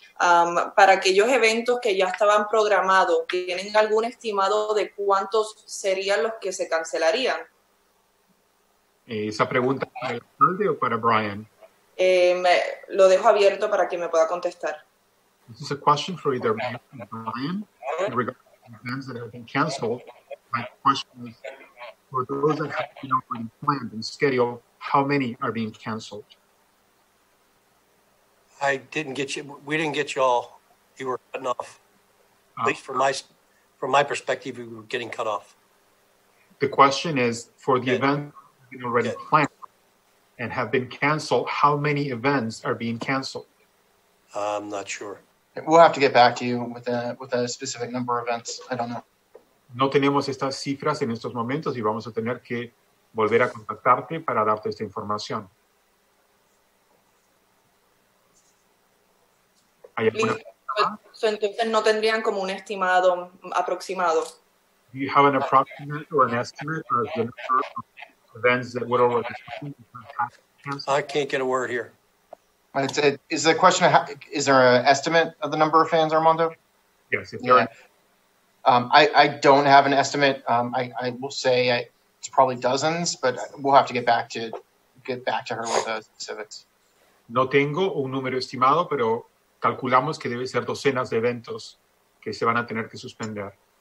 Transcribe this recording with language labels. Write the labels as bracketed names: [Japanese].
[Spanish] Para aquellos eventos que ya estaban programados, ¿tienen algún estimado de cuántos serían los que se cancelarían? ¿Esa pregunta para el alcalde o para Brian? Lo dejo abierto para que me pueda contestar. [English] This is a question for either Brian or Brian regarding events that have been canceled. My question is, for those that have been already planned and scheduled, how many are being canceled? I didn't get you. We didn't get you all. You were cutting off. At least from my perspective, we were getting cut off. The question is, for the event already planned and have been canceled, how many events are being canceled? I'm not sure. We'll have to get back to you with a specific number of events. I don't know. [Spanish] No tenemos estas cifras en estos momentos y vamos a tener que volver a contactarte para darte esta información. ¿Hay alguna pregunta? Entonces no tendrían como un estimado aproximado. [English] Do you have an approximate or an estimate of the number of events that would already have canceled? I can't get a word here. Is the question, is there an estimate of the number of fans, Armando? Yes, if there are. I don't have an estimate. I will say it's probably dozens, but we'll have to get back to her with those specifics. [Spanish] No tengo un número estimado, pero calculamos que debe ser docenas de eventos que se van a tener que suspender.